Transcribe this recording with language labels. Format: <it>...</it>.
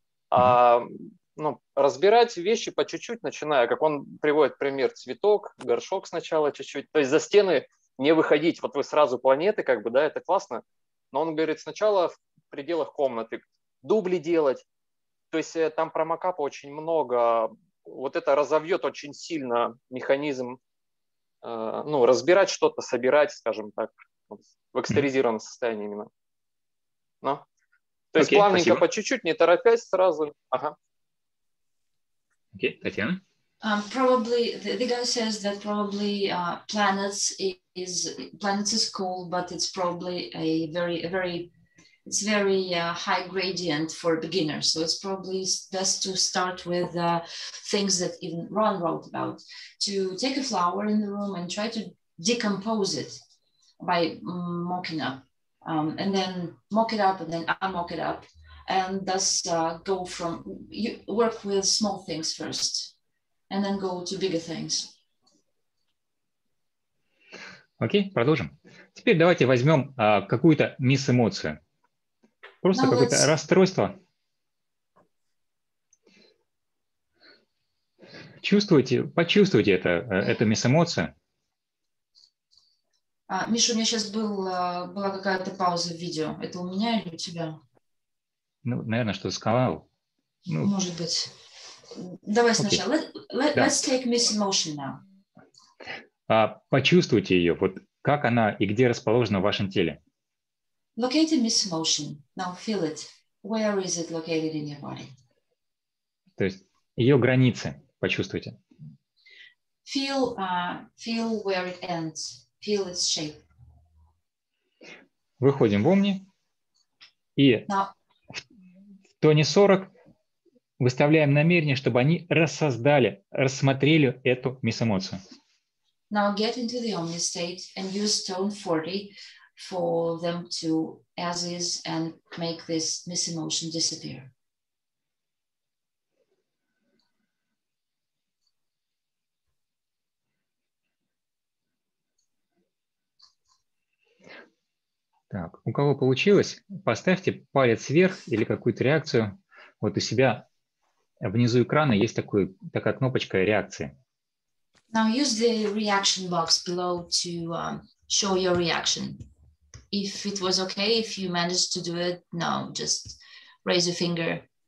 <ru>А, ну, разбирать вещи по чуть-чуть, начиная, как он приводит пример, цветок, горшок сначала чуть-чуть, то есть за стены не выходить, вот вы сразу планеты, как бы, да, это классно, но он говорит, сначала в пределах комнаты дубли делать, то есть там про макапа очень много, вот это разовьет очень сильно механизм, ну, разбирать что-то, собирать, скажем так, в экстеризированном состоянии именно. Ну, то есть плавненько, спасибо. По чуть-чуть, не торопясь сразу, ага. Окей, Татьяна.</ru> <en>Probably the guy says that probably planets is cool, but it's probably a very high gradient for beginners. So it's probably best to start with things that even Ron wrote about, to take a flower in the room and try to decompose it by mocking up, and then mock it up and then unmock it up, and thus go from, you work with small things first and then go to bigger things.</en> <ru>Окей, продолжим. Теперь давайте возьмем какую-то мисс-эмоцию. Просто какое-то расстройство. Чувствуйте, почувствуйте это, эту мисс-эмоцию. Миша, у меня сейчас была какая-то пауза в видео. Это у меня или у тебя? Ну, наверное, что-то сказал. Ну, может быть. Давай сначала.</ru> <en>Okay. Let's take miss emotion now.</en> <ru>Почувствуйте ее. Вот как она и где расположена в вашем теле?</ru> <en>Locate miss emotion. Now feel it. Where is it located in your body?</en> <ru>То есть ее границы. Почувствуйте.</ru> <en>Feel where it ends. Feel its shape.</en> <ru>Выходим в Omni. И в тоне 40 выставляем намерение, чтобы они рассоздали, рассмотрели эту мисс-эмоцию.</ru> <en>Now get into the Omni state and use tone 40 for them to as is and make this mis-emotion disappear.</en> <ru>Так, у кого получилось, поставьте палец вверх или какую-то реакцию. Вот у себя внизу экрана есть такая кнопочка реакции.</ru> <en>Now use the reaction box below to show your reaction. If it was okay, if you managed to do it, no, just raise your finger.</en>